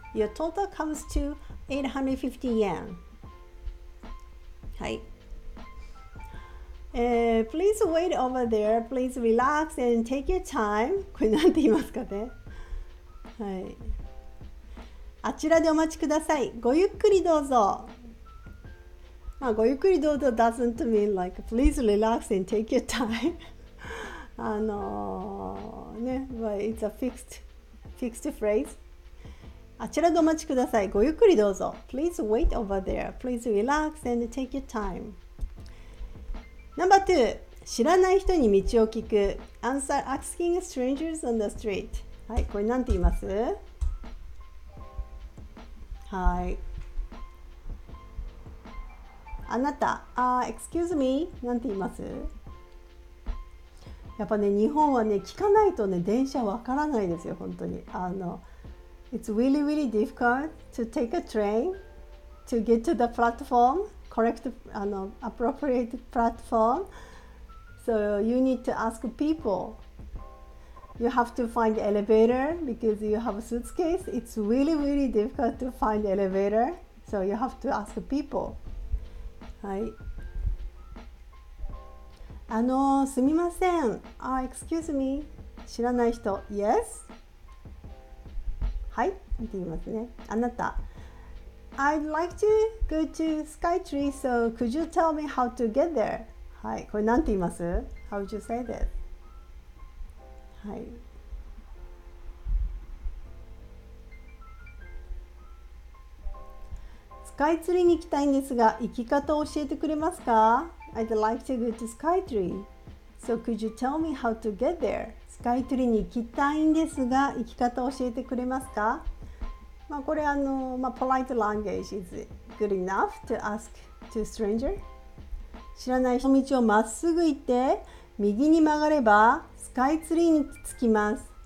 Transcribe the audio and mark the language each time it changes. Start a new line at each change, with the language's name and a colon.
English: Your total comes to 850 yen. はい。 Please wait over there. Please relax and take your time.
Japanese: これなんて言いますかね。はい。あちらでお待ちください。ごゆっくりどうぞ。
English: まあ、
Japanese: ごゆっくりどうぞ
English: doesn't mean like please relax and take your time. ね、well, it's a fixed phrase.
Japanese: あちらでお待ちください。ごゆっくりどうぞ。
English: Please wait over there. Please relax and take your time. Number two,
Japanese: 知らない人に道を聞く。
English: Answer asking strangers on the street.
Japanese: はい、これなんて言います？はい。あなた、
English: excuse me,
Japanese: なんて言います？やっぱね、日本はね、聞かないとね、電車わからないですよ、本当に。
English: It's really, really difficult to take a train to get to the platform, correct, appropriate platform. So you need to ask people. You have to find elevator because you have a suitcase. It's really, really difficult to find elevator. So you have to ask people. はい。
Japanese: すみません。
English: Excuse me.
Japanese: 知らない人。Yes? はいって言いますね。
English: あなた、I'd like to go to Skytree, so could you tell me how to get there?
Japanese: はい、これなんて言います?
English: How would you say this? はい。
Japanese: スカイツリーに行きたいんですが、行き方を教えてくれますか?
English: I'd like to go to Skytree, so could you tell me how to get there?
Japanese: スカイツリーに行きたいんですが、行き方を教えてくれますか?
English: まあ、これPolite language is good enough to ask to stranger.
Japanese: 知らない人の道をまっすぐ行って、右に曲がればスカイツリーに着きます。